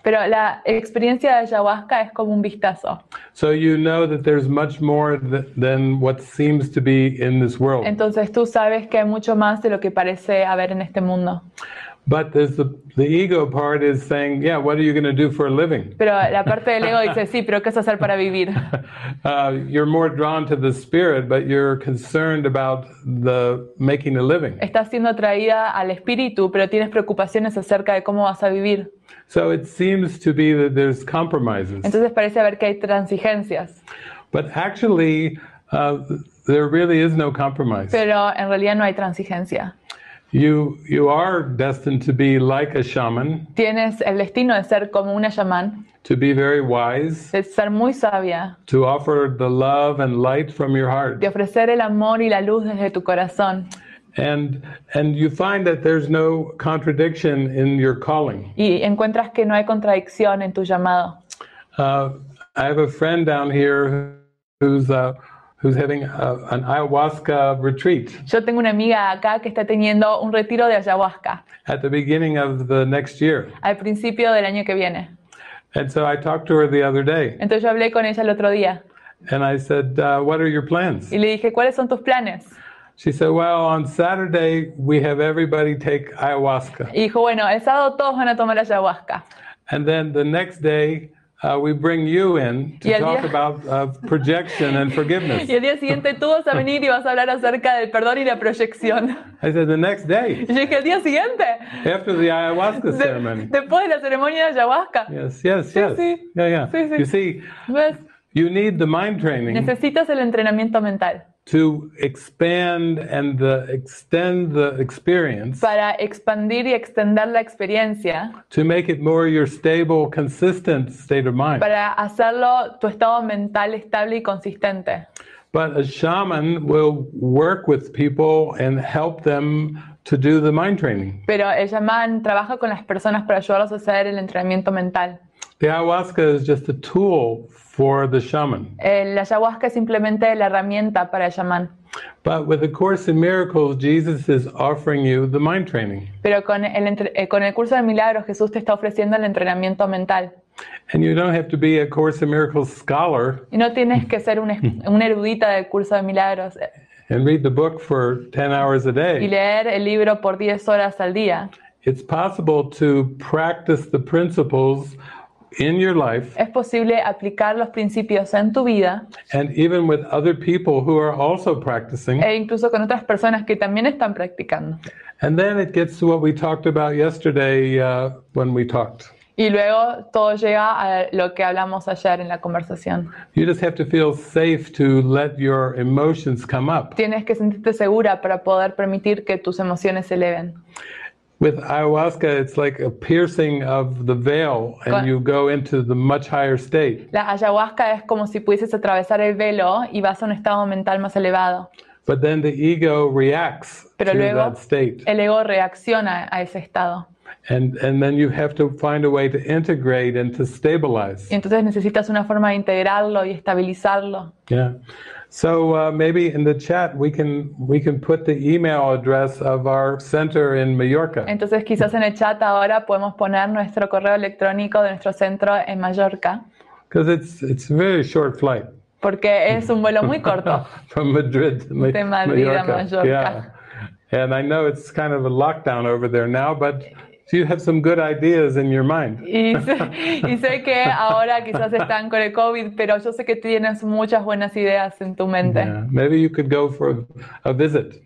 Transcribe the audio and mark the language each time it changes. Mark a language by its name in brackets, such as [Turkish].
[Spanish] Pero la experiencia de ayahuasca es como un vistazo. [English] So you know that there's much more than what seems to be in this world. [Spanish] Entonces tú sabes que hay mucho más de lo que parece haber en este mundo. [English] But there's the ego part is saying, yeah, what are you going to do for a living? [Spanish] Pero la parte del ego dice, sí, pero ¿qué vas a hacer para vivir? [English] You're more drawn to the spirit, but you're concerned about the making a living. [Spanish] Estás siendo atraída al espíritu, pero tienes preocupaciones acerca de cómo vas a vivir. [English] So it seems to be that there's compromises. [Spanish] Entonces parece haber que hay transigencias. [English] But actually, there really is no compromise. [Spanish] Pero en realidad no hay transigencia. [English] You are destined to be like a shaman. [Spanish] Tienes el destino de ser como una shaman. [English] To be very wise. [Spanish] De ser muy sabia. [English] To offer the love and light from your heart. [Spanish] De ofrecer el amor y la luz desde tu corazón. [English] And you find that there's no contradiction in your calling. [Spanish] Y encuentras que no hay contradicción en tu llamado. [English] I have a friend down here who's having an ayahuasca retreat. [Spanish] Yo tengo una amiga acá que está teniendo un retiro de ayahuasca. [English] At the beginning of the next year. [Spanish] Al principio del año que viene. [English] And so I talked to her the other day. [Spanish] Entonces yo hablé con ella el otro día. [English] And I said, what are your plans? [Spanish] Y le dije, ¿cuáles son tus planes? [English] She said, well, on Saturday we have everybody take ayahuasca. [Spanish] Y dijo, bueno, el sábado todos van a tomar ayahuasca. [English] And then the next day we bring you in to talk about projection and forgiveness. [Spanish] Y el día siguiente tú vas a venir y vas a hablar acerca del perdón y la proyección. [English] I said the next day. [Spanish] Y dije, el día siguiente. [English] After the ayahuasca ceremony. [Spanish] Después de la ceremonia de ayahuasca. [English] Yes. You see, [Spanish] ¿ves? [English] You need the mind training. [Spanish] Necesitas el entrenamiento mental. [English] To expand and extend the experience. [Spanish] Para expandir y extender la experiencia. [English] To make it more your stable, consistent state of mind. [Spanish] Para hacerlo tu estado mental estable y consistente. [English] But a shaman will work with people and help them to do the mind training. [Spanish] Pero el chamán trabaja con las personas para ayudarlos a hacer el entrenamiento mental. [English] The ayahuasca is just a tool for the shaman. [Spanish] La ayahuasca es simplemente la herramienta para el chamán. [English] But with the Course in Miracles, Jesus is offering you the mind training. [Spanish] Pero con el curso de milagros, Jesús te está ofreciendo el entrenamiento mental. [English] And you don't have to be a Course in Miracles scholar. [Spanish] Y no tienes que ser un erudita del curso de milagros. [English] And read the book for 10 hours a day. [Spanish] Y leer el libro por 10 horas al día. [English] It's possible to practice the principles in your life. [Spanish] Es posible aplicar los principios en tu vida. [English] And even with other people who are also practicing. [Spanish] E incluso con otras personas que también están practicando. [English] And then it gets to what we talked about yesterday when we talked. [Spanish] Y luego todo llega a lo que hablamos ayer en la conversación. [English] You just have to feel safe to let your emotions come up. [Spanish] Tienes que sentirte segura para poder permitir que tus emociones se eleven. [English] With ayahuasca, it's like a piercing of the veil, and you go into the much higher state. [Spanish] La ayahuasca es como si pudieses atravesar el velo y vas a un estado mental más elevado. [English] But then the ego reacts [Spanish] Pero [English] to [Spanish] luego, [English] that state. [Spanish] El ego reacciona a ese estado. [English] And then you have to find a way to integrate and to stabilize. [Spanish] Y entonces necesitas una forma de integrarlo y estabilizarlo. [English] Yeah. So maybe in the chat we can put the email address of our center in Mallorca. [Spanish] Entonces quizás en el chat ahora podemos poner nuestro correo electrónico de nuestro centro en Mallorca. [English] Because it's a very short flight. [Spanish] Porque es un vuelo muy corto. [English] From Madrid to [Spanish] Mallorca. De Madrid a Mallorca. [English] Yeah. And I know it's kind of a lockdown over there now, but do you have some good ideas in your mind? [Spanish] Y sé que ahora quizás están con el COVID, pero yo sé que tienes muchas buenas ideas en tu mente. [English] Yeah, maybe you could go for a visit.